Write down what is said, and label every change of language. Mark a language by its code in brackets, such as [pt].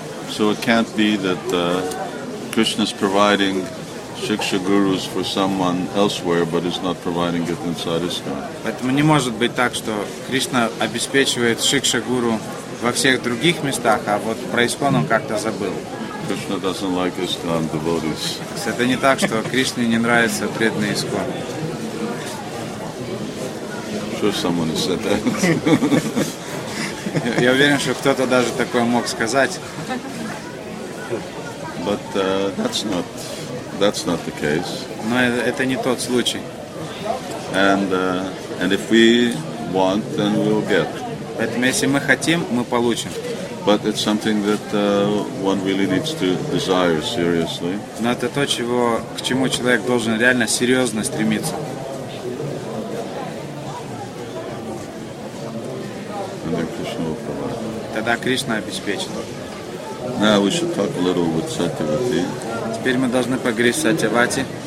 [en] So it can't be that Krishna's providing Shiksha gurus for someone elsewhere, but is not providing it inside ISKCON. [ru] Поэтому не может быть так, что Кришна обеспечивает Шикша гуру во всех других местах, а вот про ISKCON он как-то забыл. [en] Krishna doesn't like ISKCON devotees. [ru] Это не так, что Кришне не нравится преданные ISKCON. [en] Sure, someone has said that. [ru] Я уверен, что кто-то даже такое мог сказать. [en] But that's not the case. [ru] Но это не тот случай. [en] And if we want, then we'll get. [ru] Поэтому если мы хотим, мы получим. [en] But it's something that one really needs to desire seriously. [ru] Но это то, к чему человек должен реально серьезно стремиться. [en] And then Krishna will provide. [ru] Тогда Кришна обеспечит. [en] Now we should talk a little with Satyavati. [ru] Теперь мы должны поговорить с Сатьявати.